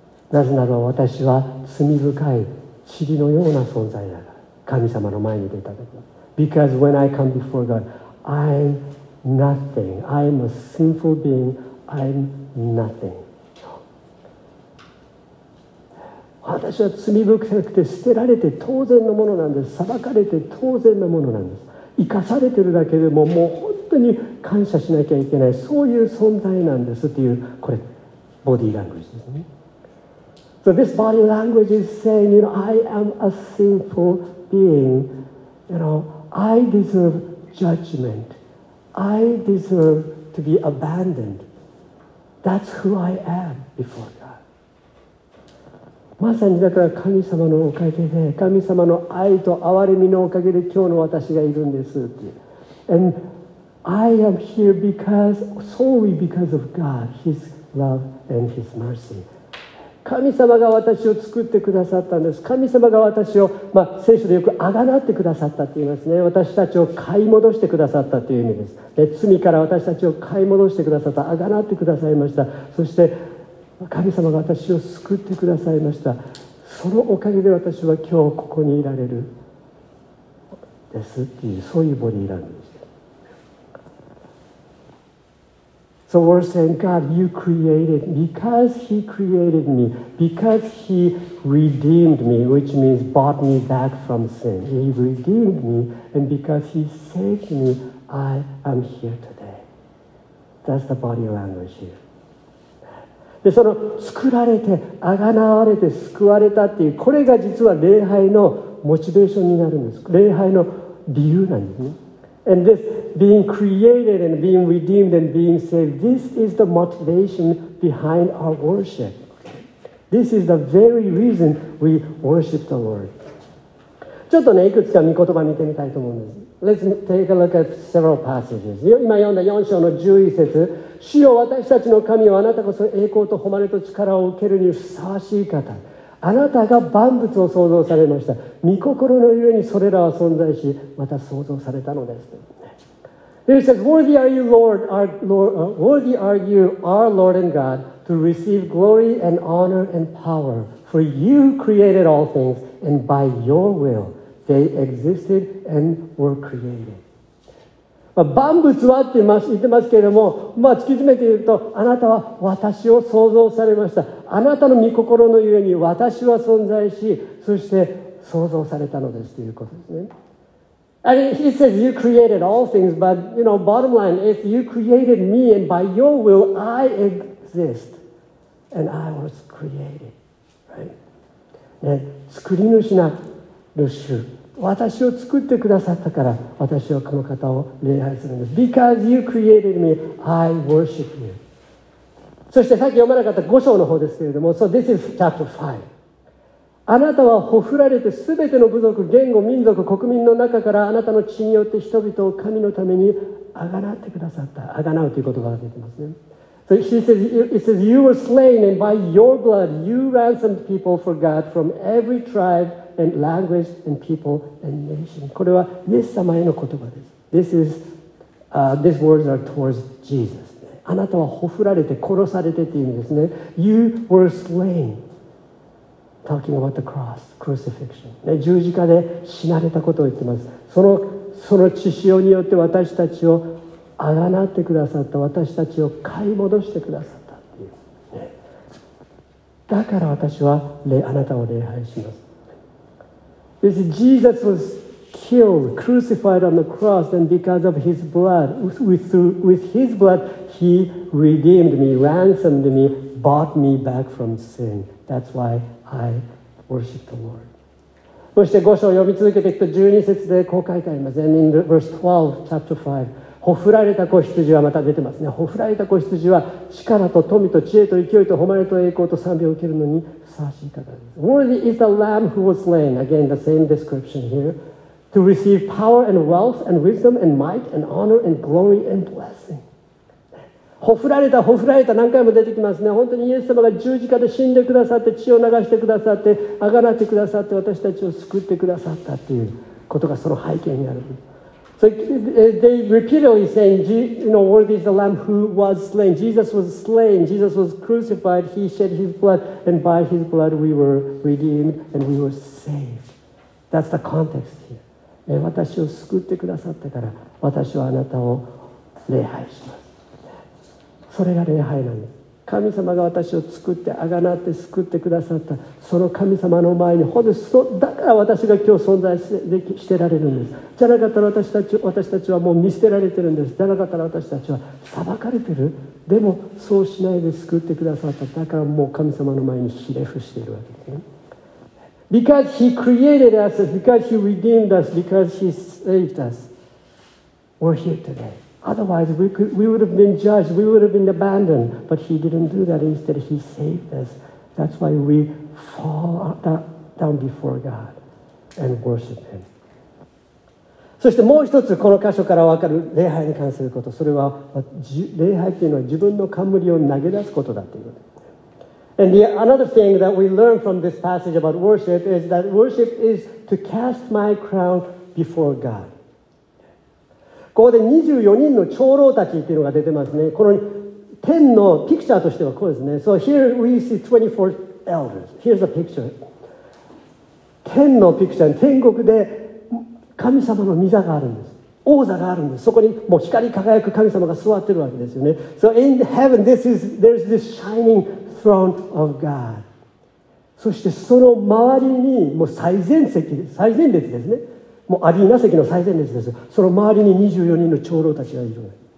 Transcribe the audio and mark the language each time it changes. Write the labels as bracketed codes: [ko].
[ja] なぜなら私は罪深い塵のような存在だから。神様の前に出た時。 [en] Because when I come before God, I'm nothing. I'm a sinful being. I'm nothing. [ja] 私は罪深くて捨てられて当然のものなんです。裁かれて当然のものなんです。生かされてるだけでももう本当に感謝しなきゃいけない、そういう存在なんですっていう、これボディーラングイッジですね。 [en] So this body language is saying, you know, I am a sinful being. You know, I deserve judgment. I deserve to be abandoned. That's who I am before [ja] まさに。だから神様のおかげで、神様の愛と憐れみのおかげで今日の私がいるんですって。 [en] And I am here because, solely because of God, His love and His mercy. [ja] 神様が私を作ってくださったんです。神様が私を、まあ、聖書でよくあがなってくださったって言いますね。私たちを買い戻してくださったという意味です。で、罪から私たちを買い戻してくださった、あがなってくださいました。そして神様が私を救ってくださいました。そのおかげで私は今日ここにいられるですっていう、そういうボディーランドでした。 [en] So we're saying, God, you created me. Because he created me, because he redeemed me, which means bought me back from sin. He redeemed me, and because he saved me, I am here today. That's the body language here. [ja] でその作られて、あがなわれて、救われたっていう、これが実は礼拝のモチベーションになるんです。礼拝の理由なんですね。 [en] And this being created and being redeemed and being saved, this is the motivation behind our worship. This is the very reason we worship the Lord. [ja] ちょっとね、いくつか御言葉見てみたいと思うんです。 [en] Let's take a look at several passages. [ja] 今読んだ4章の11節。主よ、私たちの神よ、あなたこそ栄光と誉れと力を受けるにふさわしい方。あなたが万物を創造されました。御心のゆえにそれらは存在し、また創造されたのです。 [en] He says, Worthy are you, Lord, our Lord, Worthy are you, our Lord and God, to receive glory and honor and power. For you created all things, and by your will they existed and were created. [ja] まあ、万物はって言ってますけれども、まあ、突き詰めて言うと、あなたは私を創造されました。あなたの御心のゆえに私は存在し、そして創造されたのですということですね。 [en] And he says you created all things, but you know, bottom line is you created me and by your will I exist and I was created, right? [ja] ね、作り主なる主、私を作ってくださったから私はこの方を礼拝するんです。 [en] Because you created me, I worship you. [ja] そしてさっき読まなかった5章の方ですけれども、 [en] So this is chapter 5. [ja] あなたはほふられて、すべての部族、言語、民族、国民の中からあなたの血によって人々を神のためにあがなってくださった。あがなうという言葉が出てますね。 [en] So she says, it says, you were slain and by your blood you ransomed people for God from every tribe and language and people and nation. [ja] これはイエス様への言葉です。 [en] This is, these words are towards Jesus. [ja] あなたはほふられて殺されてっていう意味ですね。 [en] You were slain. Talking about the cross, crucifixion.、 [ja] ね、十字架で死なれたことを言ってます。その血潮によって私たちをあがなってくださった、私たちを買い戻してくださったっていう、ね、だから私はあなたを礼拝します。 [en] This is Jesus was killed, crucified on the cross, and because of his blood, with his bloodHe redeemed me, ransomed me, bought me back from sin. That's why I worship the Lord. [ja] そして5章を読み続けていくと12節でこう書いてあります。 [en] And in verse 12, chapter 5, [ja] ほふられた子羊はまた出てますね。ほふられた子羊は力と富と知恵と勢いと誉れと栄光と賛美を受けるのにふさわしい方です。 [en] Worthy is the lamb who was slain. Again, the same description here. To receive power and wealth and wisdom and might and honor and glory and blessing. [ja] ほふられた、ほふられた、何回も出てきますね。本当にイエス様が十字架で死んでくださって、血を流してくださって、あがなってくださって、私たちを救ってくださったっていうことがその背景にある。 [en] So they repeatedly saying, you know, worthy is the lamb who was slain. Jesus was slain. Jesus was crucified. He shed his blood. And by his blood we were redeemed and we were saved. That's the context here. [ja] 私を救ってくださったから、私はあなたを礼拝します。それが礼拝なんです。神様が私を作ってあがなって救ってくださった、その神様の前に、ほんでだから私が今日存在してられるんです。じゃなかったら私たちはもう見捨てられてるんです。じゃなかったら私たちは裁かれてる。でもそうしないで救ってくださった、だからもう神様の前にひれ伏しているわけですね。 [en] Because he created us, because he redeemed us, because he saved us, we're here todayOtherwise, we would have been judged. We would have been abandoned. But he didn't do that. Instead, he saved us. That's why we fall down before God and worship him. [ja] そしてもう一つ、この箇所から分かる礼拝に関すること。それは、礼拝というのは自分の冠を投げ出すことだということです。 [en] And another thing that we learn from this passage about worship is that worship is to cast my crown before God. [ja] ここで24人の長老たちっていうのが出てますね。この天のピクチャーとしてはこうですね。 [en] So here we see 24 elders. Here's a picture. [ja] 天のピクチャー、天国で神様の御座があるんです。王座があるんです。そこにもう光り輝く神様が座ってるわけですよね。 [en] So in heaven, there's this shining throne of God. [ja] そしてその周りにもう最前席、最前列ですね。もうアリーナ席の最前列です。その周りに24人の長老たちがいる。